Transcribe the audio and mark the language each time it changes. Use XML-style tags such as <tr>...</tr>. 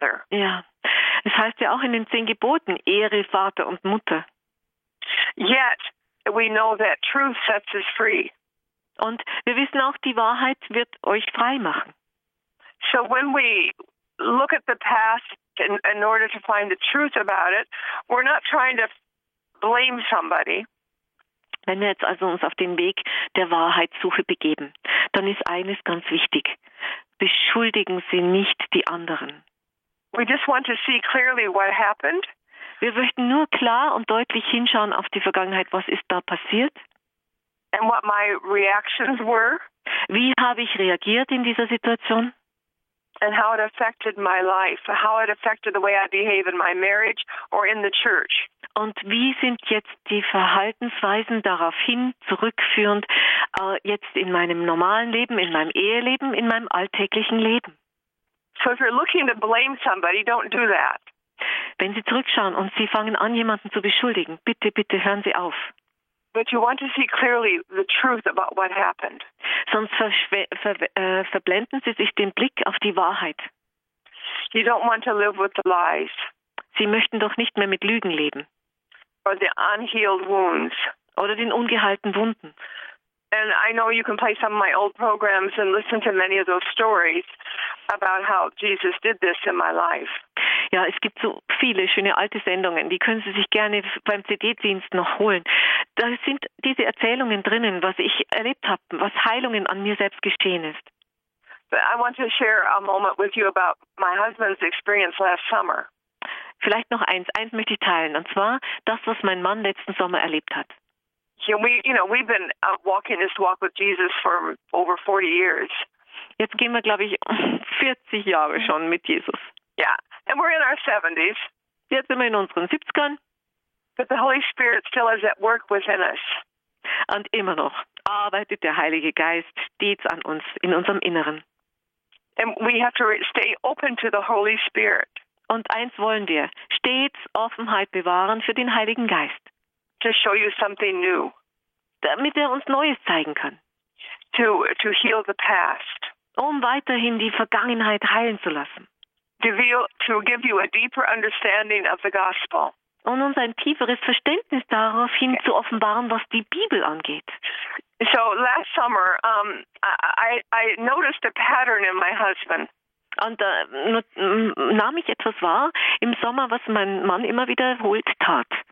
<de>Ja, es heißt ja auch in den 10 Geboten, ehre Vater und Mutter.</de> <en>Yet we know that truth sets us free.</en> <de>Und wir wissen auch, die Wahrheit wird euch frei machen.</de> <en>So when we look at the past in order to find the truth about it, we're not trying to blame somebody.</en> <de>Wenn wir jetzt also uns auf den Weg der Wahrheitssuche begeben, dann ist eines ganz wichtig. Beschuldigen Sie nicht die anderen.</de> <en>We just want to see clearly what happened.</en> <de>Wir möchten nur klar und deutlich hinschauen auf die Vergangenheit. Was ist da passiert?</de> <en>And what my reactions were.</en> <de>Wie habe ich reagiert in dieser Situation?</de> <en>And how it affected my life. How it affected the way I behave in my marriage or in the church.</en> <de>Und wie sind jetzt die Verhaltensweisen daraufhin zurückführend jetzt in meinem normalen Leben, in meinem Eheleben, in meinem alltäglichen Leben?</de> <en>So if you're looking to blame somebody, don't do that.</en> <de>Wenn Sie zurückschauen und Sie fangen an, jemanden zu beschuldigen, bitte, bitte hören Sie auf.</de> <en>But you want to see clearly the truth about what happened.</en> <de>Sonst verblenden Sie sich den Blick auf die Wahrheit.</de> <en>You don't want to live with the lies.</en> <de>Sie möchten doch nicht mehr mit Lügen leben.</de> <en>Or the unhealed wounds.</en> <de>Oder den ungeheilten Wunden.</de> <en>And I know you can play some of my old programs and listen to many of those stories about how Jesus did this in my life.</en> <de>Ja, es gibt so viele schöne alte Sendungen, die können Sie sich gerne beim CD-Dienst noch holen. Da sind diese Erzählungen drinnen, was ich erlebt habe, was Heilungen an mir selbst geschehen ist.</de> <en>But I want to share a moment with you about my husband's experience last summer.</en> <de>Vielleicht noch eins möchte ich teilen, und zwar das, was mein Mann letzten Sommer erlebt hat.</de> <en>We've been walking this walk with Jesus for over 40 years.</en> <de>Jetzt gehen wir, glaube ich, 40 Jahre schon mit Jesus.</de> <en>Yeah, and we're in our 70s.</en> <de>Jetzt sind wir in unseren 70ern.</de> <en>But the Holy Spirit still is at work within us.</en> <de>Und immer noch arbeitet der Heilige Geist stets an uns, in unserem Inneren.</de> <en>And we have to stay open to the Holy Spirit.</en> <de>Und eins wollen wir, stets Offenheit bewahren für den Heiligen Geist.</de> <en>To show you something new.</en> <de>Damit er uns Neues zeigen kann.</de> <en>To heal the past.</en> <de>Um weiterhin die Vergangenheit heilen zu lassen.</de> <en>To give you a deeper understanding of the gospel.</en> <de>Und uns ein tieferes Verständnis darauf hin zu offenbaren, was die Bibel angeht.</de> <en>So last summer, I noticed a pattern in my husband.</en> <de>Und da nahm ich etwas wahr im Sommer, was mein Mann immer wiederholt tat.</de>